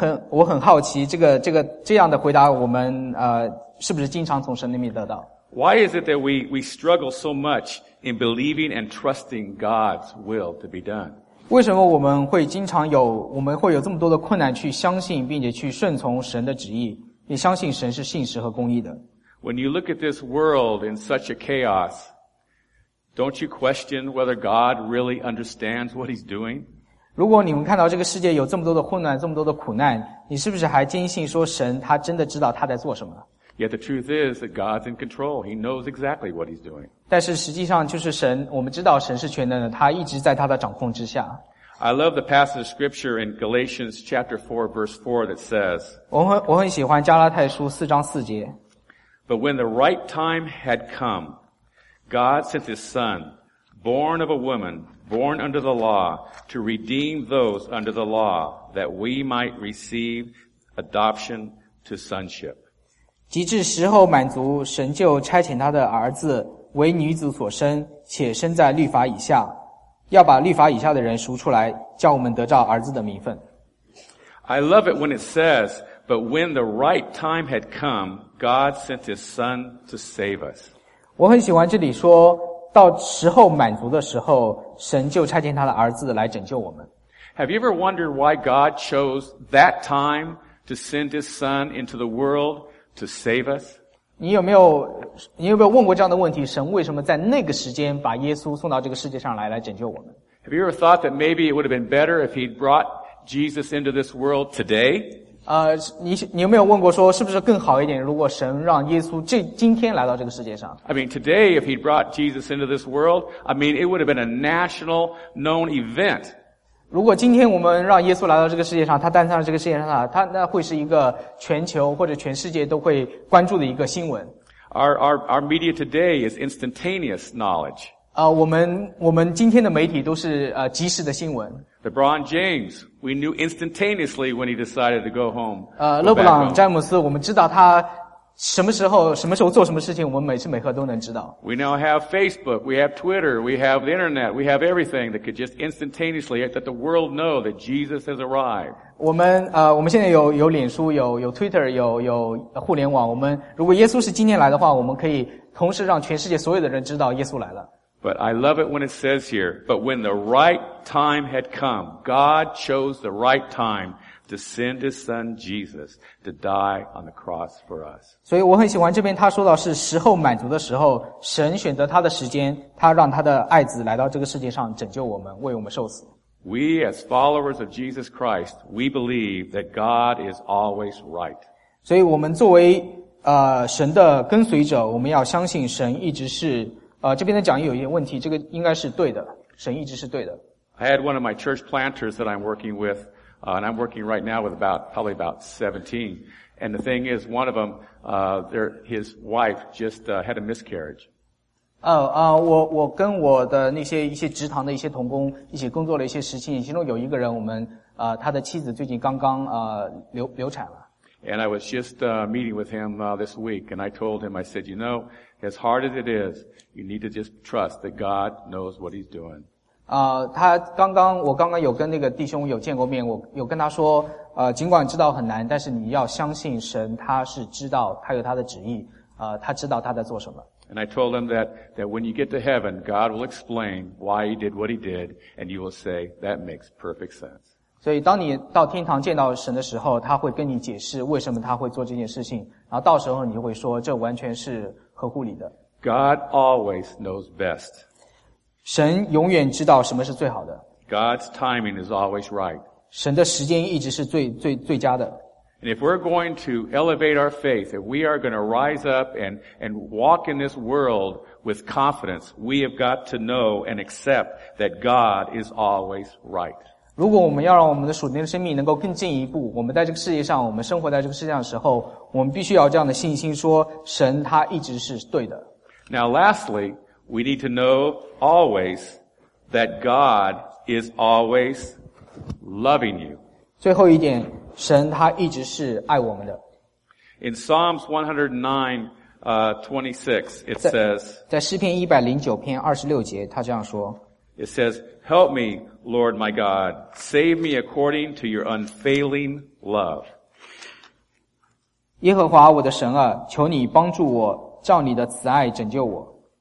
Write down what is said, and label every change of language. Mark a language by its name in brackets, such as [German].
[Chinese] 我很好奇这样的回答我们是不是经常从神那边得到。 [English] Why is it that we struggle so much in believing and trusting God's will to be done? [Chinese] 为什么我们会有这么多的困难去相信并且去顺从神的旨意，也相信神是信实和公义的。 [English] When you look at this world in such a chaos, don't you question whether God really understands what he's doing? [Chinese] 如果你们看到这个世界有这么多的混乱，这么多的苦难，你是不是还坚信说神他真的知道他在做什么？ [English] Yet the truth is that God's in control. He knows exactly what he's doing. [Chinese] 但是实际上就是神，我们知道神是全能的，他一直在他的掌控之下。 [English] I love the passage of scripture in Galatians chapter 4 verse 4 that says, [Chinese] 我很喜欢加拉太书四章四节。 [English] But when the right time had come, God sent his son, born of a woman, born under the law, to redeem those under the law, that we might receive adoption to sonship. [Chinese] 及至时候满足，神就差遣他的儿子为女子所生，且生在律法以下，要把律法以下的人赎出来，叫我们得着儿子的名分。 [English] I love it when it says, but when the right time had come, God sent his son to save us. [Chinese] 我很喜欢这里说，到时候满足的时候，神就差遣他的儿子来拯救我们。 [English] Have you ever wondered why God chose that time to send his son into the world? To save us? [Chinese] 你有没有问过这样的问题，神为什么在那个时间把耶稣送到这个世界上来拯救我们？ [English] Have you ever thought that maybe it would have been better if he'd brought Jesus into this world today? [Chinese] 你有没有问过说是不是更好一点如果神让耶稣今天来到这个世界上？ [English] I mean, today if he'd brought Jesus into this world, I mean, it would have been a national known event. [Chinese] 如果今天我们让耶稣来到这个世界上，他诞生了这个世界上，他那会是一个全球或者全世界都会关注的一个新闻。 [English] Our media today is instantaneous knowledge. [Chinese] 我们今天的媒体都是即时的新闻。 [English] LeBron James, we knew instantaneously when he decided to go home. [Chinese] 勒布朗詹姆斯，我们知道他什么时候做什么事情，我们每时每刻都能知道。 [English] We now have Facebook, we have Twitter, we have the internet, we have everything that could just instantaneously let the world know that Jesus has arrived. [Chinese] 我们现在有脸书，有 Twitter, 有互联网。我们如果耶稣是今天来的话，我们可以同时让全世界所有的人知道耶稣来了。 [English] But I love it when it says here, but when the right time had come, God chose the right time. To send his son Jesus to die on the cross for us. [Chinese] 所以我很喜欢这边他说到是时候满足的时候，神选择他的时间，他让他的爱子来到这个世界上拯救我们，为我们受死。 [English] We as followers of Jesus Christ, we believe that God is always right. [Chinese] 所以我们作为神的跟随者，我们要相信神一直是这边的讲义有一点问题，这个应该是对的，神一直是对的。 [English] I had one of my church planters that I'm working with. And I'm working right now with probably about 17. And the thing is, one of them, his wife just had a miscarriage. [Chinese] 我跟我的那些一些职堂的一些同工一起工作了一些时期，其中有一个人，我们他的妻子最近刚刚流产了。 [English] And I was just meeting with him this week, and I told him, I said, you know, as hard as it is, you need to just trust that God knows what he's doing. [Chinese] 我刚刚有跟那个弟兄有见过面，我有跟他说，尽管知道很难，但是你要相信神，他是知道，他有他的旨意，他知道他在做什么。 [English] And I told him that when you get to heaven, God will explain why he did what he did, and you will say, that makes perfect sense. [Chinese] 所以当你到天堂见到神的时候，他会跟你解释为什么他会做这件事情，然后到时候你就会说，这完全是合乎理的。 [English] God always knows best. [Chinese] 神永远知道什么是最好的。 [English] God's timing is always right. [Chinese] 神的时间一直是最最最佳的。 [English] And if we're going to elevate our faith, if we are going to rise up and walk in this world with confidence, we have got to know and accept that God is always right. [Chinese] 如果我们要让我们的属灵的生命能够更进一步，我们在这个世界上，我们生活在这个世界上的时候，我们必须要这样的信心说，神他一直是对的。 [English] Now lastly, we need to know always that God is always loving you. [Chinese] 最后一点，神他一直是爱我们的。 [English] In Psalms 109:26, it says, [Chinese] 在诗篇109篇26节，他这样说。 [English] It says, "Help me, Lord my God, save me according to your unfailing love." [Chinese] 耶和华我的神啊，求你帮助我，照你的慈爱拯救我。